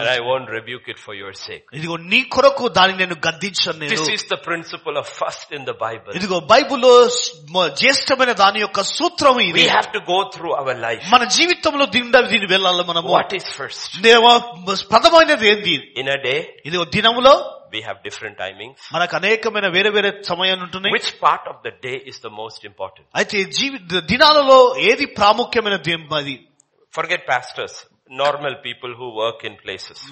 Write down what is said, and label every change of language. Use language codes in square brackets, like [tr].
[en] And I won't rebuke it for your sake. [te] ఇదిగో నీ కొరకు దాన్ని నేను గద్దించనేను. [en] This is the principle of first in the Bible. [te] ఇదిగో బైబిల్లో జ్యేష్టమైన దాని యొక్క సూత్రం ఇది. [en] We have to go through our life. [te] మన జీవితంలో దీని వెళ్ళాలి మనం. [en] What is first? [te] ప్రథమమైనది ఏంది? [en] In a day. [te] ఇదిగో దినములో. [en] We have different timings. [te] మనకు అనేకమైన వేరే వేరే సమయాలు ఉంటున్నాయి. [en] Which part of the day is the most important? [te] అయితే దినాలలో ఏది ప్రాముఖ్యమైన దేమది? [en] Forget pastors, normal people who work in places.